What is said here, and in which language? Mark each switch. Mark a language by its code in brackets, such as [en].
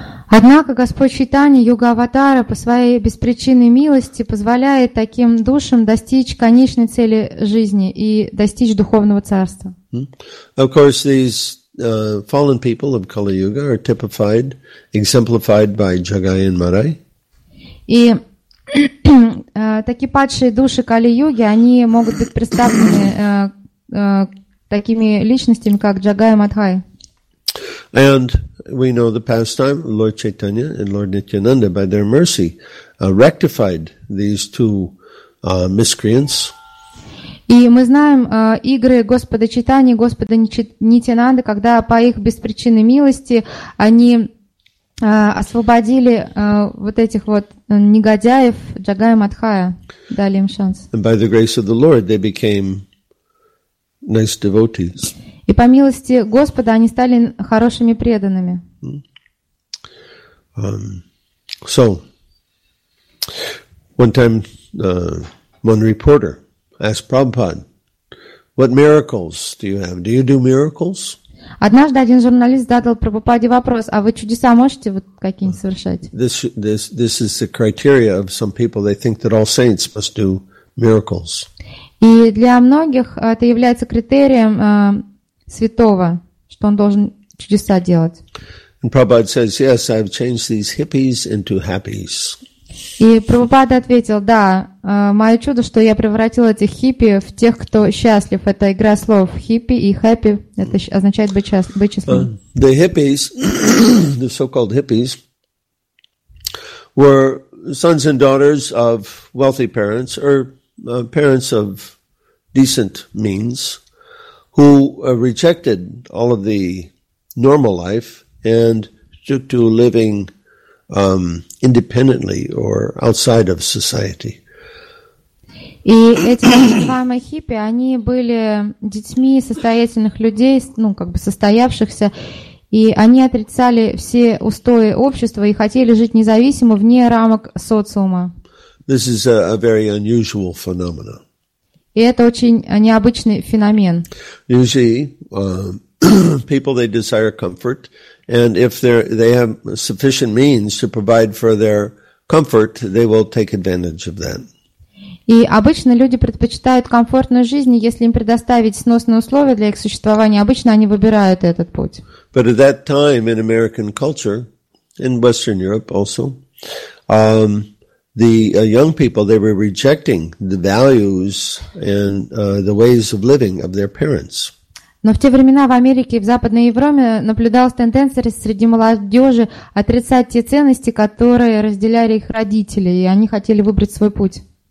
[ru] Однако Господь Чайтанья, Юга-Аватара, по своей беспричинной милости позволяет таким душам достичь конечной цели жизни и достичь Духовного Царства. [en] Of course, these fallen people of Kali-Yuga are typified, exemplified by Jagai and Marai. [ru] И такие падшие души Кали-Юги, они могут быть представлены такими личностями, как Джагай и Мадхай. [en] And we know the pastime, Lord Chaitanya and Lord Nityananda, by their mercy, rectified these two miscreants. [ru] И мы знаем игры Господа Чайтаньи, Господа Нитянанды, когда по их беспричинной милости они освободили вот этих вот негодяев, Джагая и Мадхая, дали им шанс. [en] And by the grace of the Lord, they became nice devotees. [ru] И по милости Господа они стали хорошими преданными. [en] So, one time, one reporter asked Prabhupada, "What miracles do you have? Do you do miracles?" [ru] Однажды один журналист задал Прабхупаде вопрос: "А вы чудеса можете вот какие-нибудь совершать?" [en] This is the criteria of some people. They think that all saints must do miracles. [ru] И для многих это является критерием святого, что он должен чудеса делать. [en] And Prabhupada says, "Yes, I've changed these hippies into happies." [ru] И Прабхупада ответил: "Да, мое чудо, что я превратил этих хиппи в тех, кто счастлив." Это игра слов хиппи и happy. Это означает быть счастливым. [en] The hippies, the so-called hippies, were sons and daughters of wealthy parents or parents of decent means, who rejected all of the normal life and took to living independently or outside of society. [ru] И эти самые хиппи, они были детьми состоятельных людей, ну как бы состоявшихся, и они отрицали все устои общества и хотели жить независимо вне рамок социума. [en] This is a very unusual phenomenon. [ru] И это очень необычный феномен. [en] Usually, people, they desire comfort, and if they have sufficient means to provide for their comfort, they will take advantage of that. [ru] И обычно люди предпочитают комфортную жизнь, если им предоставить сносные условия для их существования, обычно они выбирают этот путь. [en] But at that time in American culture, in Western Europe also, the young people, they were rejecting the values and the ways of living of their parents. [ru] Но в те времена в Америке и в Западной Европе наблюдалась тенденция среди молодежи отрицать те ценности, которые разделяли их родители, и они хотели выбрать свой путь.